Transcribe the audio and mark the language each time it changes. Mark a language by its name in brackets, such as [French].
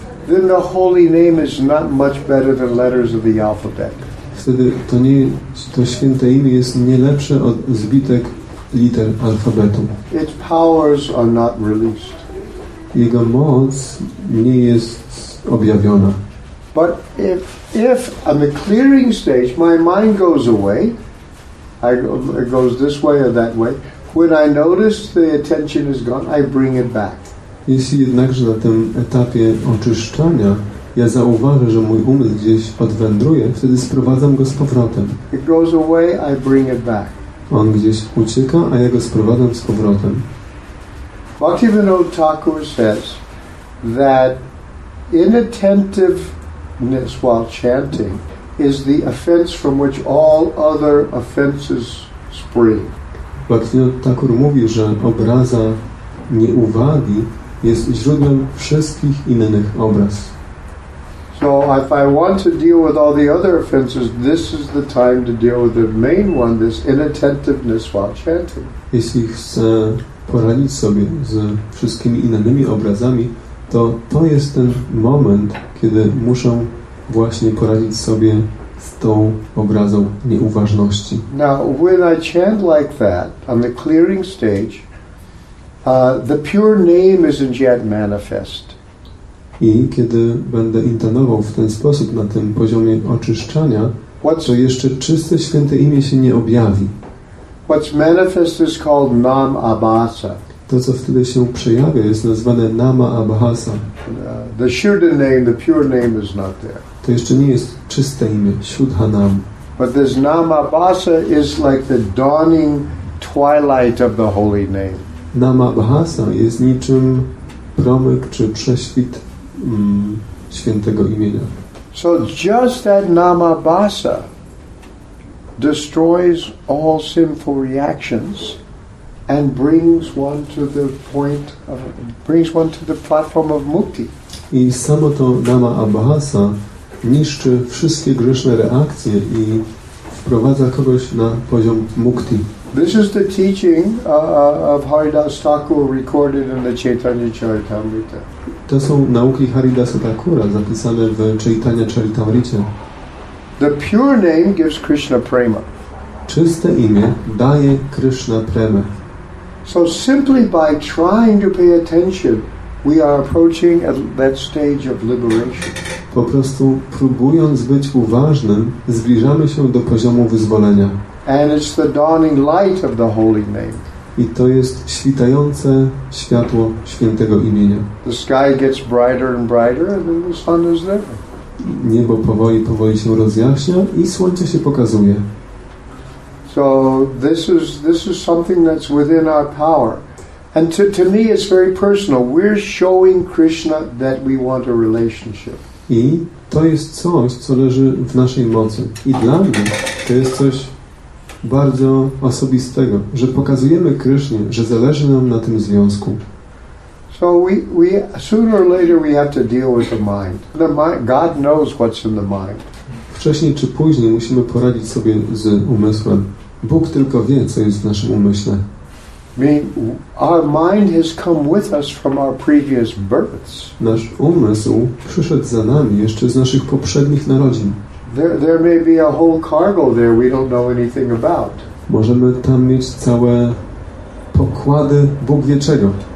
[English] Then the holy name is not much better than letters of the alphabet. [Polish] Wtedy to święte imię jest nie lepsze od zbitek liter alfabetu. [English] Its powers are not released. [Polish] Jego moc nie jest objawiona. [English] But if on the clearing stage my mind goes away, it goes this way or that way, when I notice the attention is gone, I bring it back. [Polish] Jeśli jednakże na tym etapie oczyszczania ja zauważę, że mój umysł gdzieś odwędruje, wtedy sprowadzam go z powrotem. [English] It goes away, I bring it back. [Polish] On gdzieś ucieka, a ja go sprowadzam z powrotem. [English] Bhaktivinoda Thakur says that inattentiveness while chanting is the offense from which all other offenses spring. [Polish] Bhaktivinoda Thakur mówi, że obraza nieuwagi jest źródłem wszystkich innych obraz. [English] So if I want to deal with all the other offenses, this is the time to deal with the main one, this inattentiveness while chanting. [Polish] Jeśli chcę poradzić sobie z wszystkimi innymi obrazami, to jest ten moment, kiedy muszę właśnie poradzić sobie z tą obrazą nieuważności. [English] Now, when I chant like that, on the clearing stage, the pure name isn't yet manifest. [Polish] I kiedy będę intonował w ten sposób na tym poziomie oczyszczania, to jeszcze czyste święte imię się nie objawi. [English] What's manifest is called nam abhasa. [Polish] To, co wtedy się przejawia, jest nazwane nama abhasa. [English] The shuddha name, the pure name is not there. [Polish] To jeszcze nie jest czyste imię, shuddha nam. [English] But this nam abhasa is like the dawning twilight of the holy name. [Polish] Nama abhasa jest niczym promyk czy prześwit świętego imienia. [English] So just that nam abhasa destroys all sinful reactions and brings one to the platform of mukti. [Polish] I samo to nama abhasa niszczy wszystkie grzeszne reakcje i wprowadza kogoś na poziom mukti. [English] This is the teaching of Haridasa Thakur recorded in the Chaitanya Charitamrita. [Polish] To są nauki Haridasa Thakura zapisane w Chaitanya Charitamrita. [English] The pure name gives Krishna prema. [Polish] Czyste imię daje Krishna prema. [English] So simply by trying to pay attention, we are approaching at that stage of liberation. [Polish] Po prostu próbując być uważnym, zbliżamy się do poziomu wyzwolenia. [English] And it's the dawning light of the holy name. [Polish] I to jest świtające światło świętego imienia. [English] The sky gets brighter and brighter, and then the sun is there. [Polish] Niebo powoli się rozjaśnia i słońce się pokazuje. [English] So this is something that's within our power. And to me it's very personal. We're showing Krishna that we want a relationship. [Polish] I to jest coś, co leży w naszej mocy. I dla mnie to jest coś bardzo osobistego, że pokazujemy Krysznie, że zależy nam na tym związku. [English] So we sooner or later we have to deal with the mind. God knows what's in the mind. [Polish] Wcześniej czy później musimy poradzić sobie z umysłem. Bóg tylko wie, co jest w naszym umyśle. [English] Our mind has come with us from our previous births. [Polish] Nasz umysł przyszedł za nami jeszcze z naszych poprzednich narodzin. [English] There may be a whole cargo there we don't know anything about. [Polish] Możemy tam mieć całe pokłady Bóg wie czego.